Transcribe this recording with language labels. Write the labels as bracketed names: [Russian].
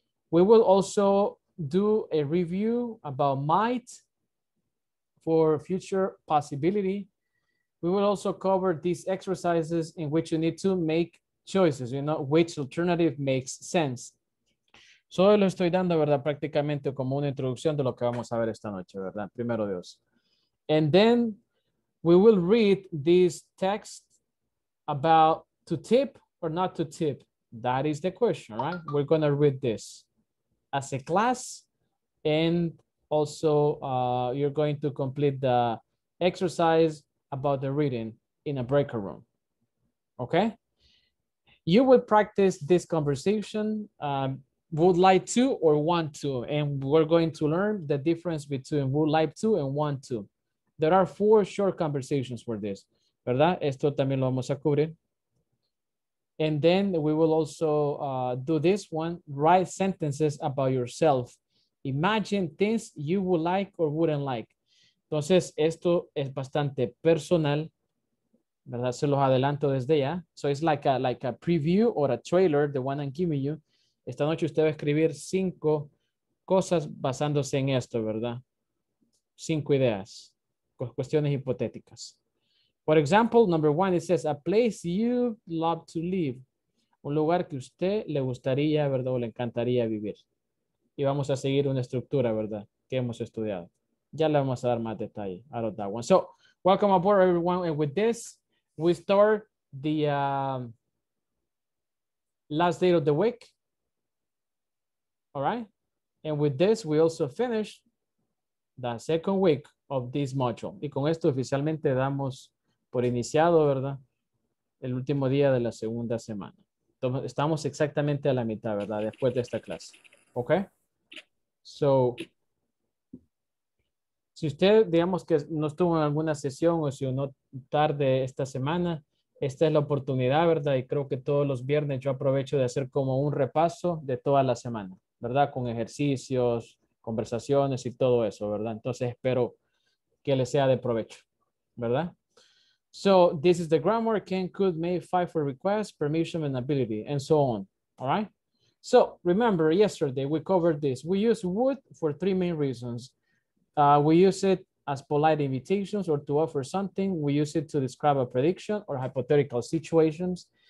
[English] We will also do a review about might for future possibility. We will also cover these exercises in which you need to make choices, you know, which alternative makes sense. [Spanish] Solo lo estoy dando, ¿verdad? Prácticamente como una introducción de lo que vamos a ver esta noche, ¿verdad? Primero Dios. [English] And then we will read this text about to tip or not to tip. That is the question, right? We're going to read this as a class. And also you're going to complete the exercise about the reading in a breakout room. Okay? You will practice this conversation. Would like to or want to, and we're going to learn the difference between would like to and want to. There are four short conversations for this, [Spanish] ¿verdad? Esto también lo vamos a cubrir. [English] And then we will also do this one, write sentences about yourself. Imagine things you would like or wouldn't like. [Spanish] Entonces, esto es bastante personal, ¿verdad? Se los adelanto desde ya. [English] So it's like a preview or a trailer, the one I'm giving you. [Spanish] Esta noche usted va a escribir 5 cosas basándose en esto, ¿verdad? 5 ideas, cuestiones hipotéticas. [English] For example, number one, it says, a place you love to live. [Spanish] Un lugar que usted le gustaría, ¿verdad? O le encantaría vivir. Y vamos a seguir una estructura, ¿verdad? Que hemos estudiado. Ya le vamos a dar más detalle [English] out of that one. So, welcome aboard, everyone. And with this, we start the last day of the week. All right. And with this, we also finish the second week of this module. [Spanish] Y con esto oficialmente damos por iniciado, ¿verdad? El último día de la segunda semana. Entonces, estamos exactamente a la mitad, ¿verdad? Después de esta clase. ¿Ok? So, si usted, digamos que no estuvo en alguna sesión o si uno tarde esta semana, esta es la oportunidad, ¿verdad? Y creo que todos los viernes yo aprovecho de hacer como un repaso de toda la semana, ¿verdad? Con ejercicios, conversaciones y todo eso, ¿verdad? Entonces espero que les sea de provecho, ¿verdad? [English] So, this is the grammar, can, could, may, file for request, permission, and ability, and so on, all right? So, remember, yesterday we covered this. We use would for 3 main reasons. We use it as polite invitations or to offer something. We use it to describe a prediction or hypothetical situations.